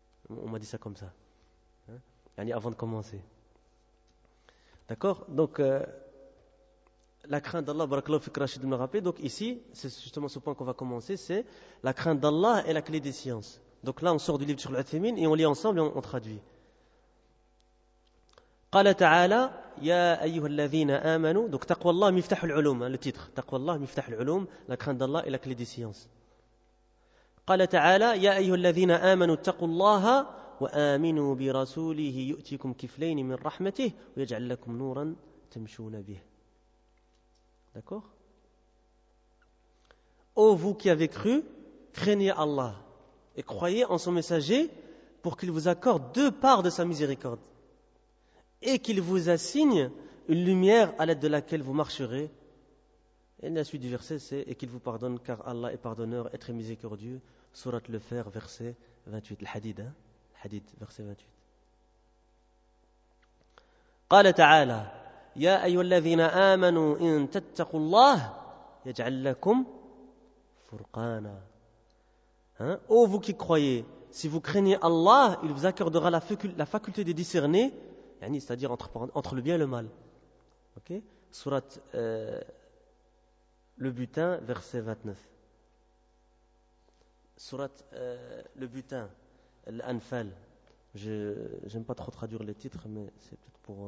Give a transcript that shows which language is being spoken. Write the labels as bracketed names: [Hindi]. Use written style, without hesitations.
[French] On m'a dit ça comme ça, hein, avant de commencer. D'accord. Donc la crainte d'Allah, barakallahu fik rachid de me rappeler. Donc ici, c'est justement ce point qu'on va commencer, c'est la crainte d'Allah est la clé des sciences. Donc là, on sort du livre sur l'Athémine et on lit ensemble et on traduit. [Arabic] قال تعالى يا أيها الذين آمنوا دوك تقوى الله مفتاح العلوم [French] le titre [Arabic] تقوى الله مفتاح العلوم [French] la crainte d'Allah est la clé des sciences. [Arabic] قال تعالى يا أيها الذين آمنوا اتقوا الله وآمنوا برسوله يؤتيكم كفلين من رحمته ويجعل لكم نورا تمشون به. [French] D'accord. Ô vous qui avez cru, craignez Allah et croyez en son messager pour qu'il vous accorde deux parts de sa miséricorde et qu'il vous assigne une lumière à l'aide de laquelle vous marcherez. Et la suite du verset, c'est « Et qu'il vous pardonne, car Allah est pardonneur et très miséricordieux. » Surat le Fer, verset 28. Le Hadith, hein? Le Hadith, verset 28. [Arabic] « قال تعالى, يا أيها الذين آمنوا إن تتقوا الله يجعل لكم فرقانا. » Hein? [French] « Ô vous qui croyez, si vous craignez Allah, il vous accordera la faculté de discerner » c'est-à-dire entre le bien et le mal. Ok. Surat le butin, verset 29. Surat le butin, l'Anfal. Je n'aime pas trop traduire les titres, mais c'est peut-être pour...